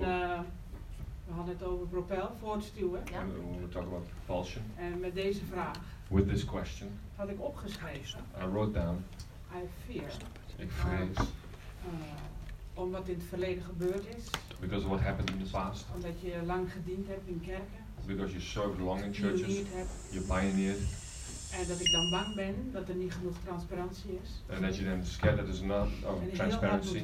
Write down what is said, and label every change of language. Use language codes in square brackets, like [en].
[nl] En we hadden het over propel, voortstuwen. [en] Ja. And we were talking about propulsion. [nl] En met deze vraag. [en] With this question. [nl] Had ik opgeschreven. [en] I wrote down. I fear. [nl] Ik vrees. Om wat in het verleden gebeurd is. [en] Because of what happened in the past. [nl] Omdat je lang gediend hebt in kerken. [en] Because you served long in churches, you pioneered. [nl] En dat ik dan bang ben dat er niet genoeg transparantie is. [en] And that you then scared that there's not of transparency.